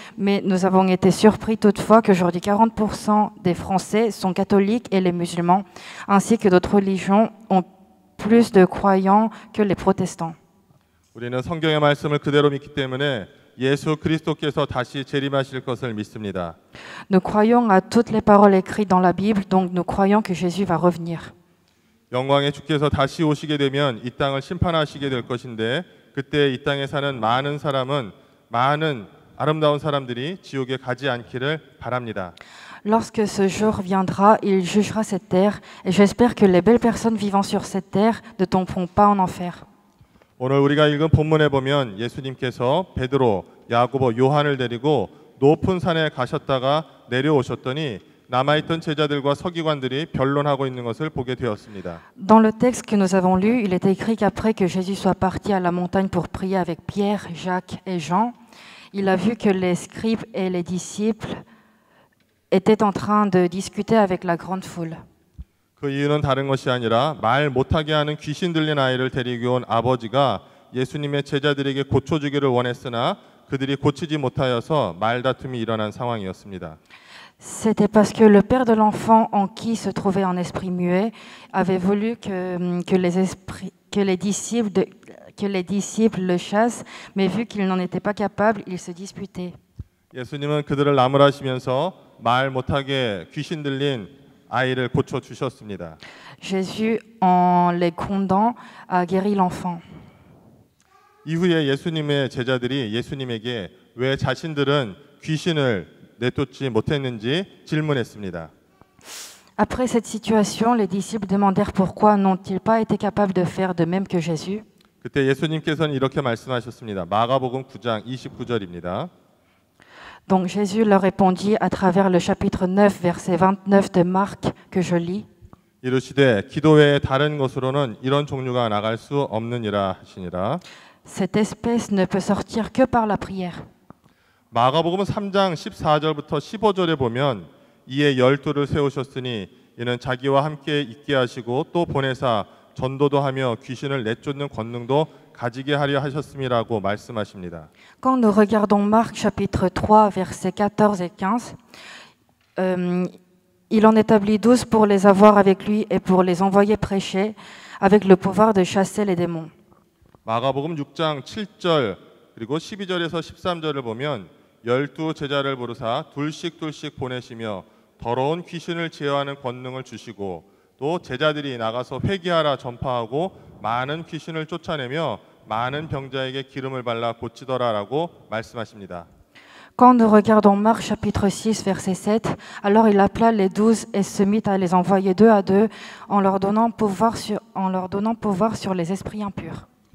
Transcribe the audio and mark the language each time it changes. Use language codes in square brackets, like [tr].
[fr] Mais nous avons été surpris toutefois qu'aujourd'hui 40% des Français sont catholiques et les musulmans, ainsi que d'autres religions, ont plus de croyants que les protestants. Nous avons cru la parole de Dieu et donc [ko] 예수 그리스도께서 다시 재림하실 것을 믿습니다. [fr] Nous croyons à toutes les paroles écrites dans la Bible, donc nous croyons que Jésus va revenir. [ko] 영광의 주께서 다시 오시게 되면 이 땅을 심판하시게 될 것인데 그때 이 땅에 사는 많은 아름다운 사람들이 지옥에 가지 않기를 바랍니다. [fr] Lorsque ce jour viendra, il jugera cette terre et j'espère que les belles personnes vivant sur cette terre ne tomberont pas en enfer. [ko] 오늘 우리가 읽은 본문에 보면 예수님께서 베드로, 야고보, 요한을 데리고 높은 산에 가셨다가 내려오셨더니 남아있던 제자들과 서기관들이 변론하고 있는 것을 보게 되었습니다. [fr] Dans le texte que nous avons lu, il est écrit qu'après que Jésus soit parti à la montagne pour prier avec Pierre, Jacques et Jean, il a vu que les scribes et les disciples étaient en train de discuter avec la grande foule. [ko] 그 이유는 다른 것이 아니라 말 못하게 하는 귀신 들린 아이를 데리고 온 아버지가 예수님의 제자들에게 고쳐주기를 원했으나 그들이 고치지 못하여서 말다툼이 일어난 상황이었습니다. [fr] C'était parce que le père de l'enfant en qui se trouvait un esprit muet avait voulu que les disciples le chassent, mais vu qu'il n'en était pas capable, ils se disputaient. [ko] 예수님은 그들을 나무라시면서 말 못하게 귀신 들린 아이를 고쳐 주셨습니다. [fr] Jésus en les condamnant a guéri l'enfant. [ko] 이후에 예수님의 제자들이 예수님에게 왜 자신들은 귀신을 내쫓지 못했는지 질문했습니다. [fr] Après cette situation, les disciples demandèrent pourquoi n'ont-ils pas été capables de faire de même que Jésus? [ko] 그때 예수님께서는 이렇게 말씀하셨습니다. 마가복음 9장 29절입니다. [fr] Donc Jésus leur répondit à travers le chapitre 9, verset 29 de Marc que je lis. [ko] 이르시되 기도 외에 다른 것으로는 이런 종류가 나갈 수 없느니라 하시니라. [fr] Cette espèce ne peut sortir que par la prière. [ko] 마가복음 3장 14절부터 15절에 보면 이에 열두를 세우셨으니 이는 자기와 함께 있게 하시고 또 보내사 전도도 하며 귀신을 내쫓는 권능도 가지게 하려 하셨음이라고 말씀하십니다. [fr] Quand nous regardons Marc chapitre 3 versets 14 et 15, il en établit 12 pour les avoir avec lui et pour les envoyer prêcher avec le pouvoir de chasser les démons. [ko] 마가복음 6장 7절 그리고 12절에서 13절을 보면 열두 제자를 부르사 둘씩 둘씩 보내시며 더러운 귀신을 제어하는 권능을 주시고 또 제자들이 나가서 회개하라 전파하고 많은 귀신을 쫓아내며 많은 병자에게 기름을 발라 고치더라라고 말씀하십니다. [fr] Quand nous regardons Marc chapitre 6 verset 7, alors il appela les 12 et se mit à les envoyer deux à deux en leur donnant pouvoir sur les esprits impurs.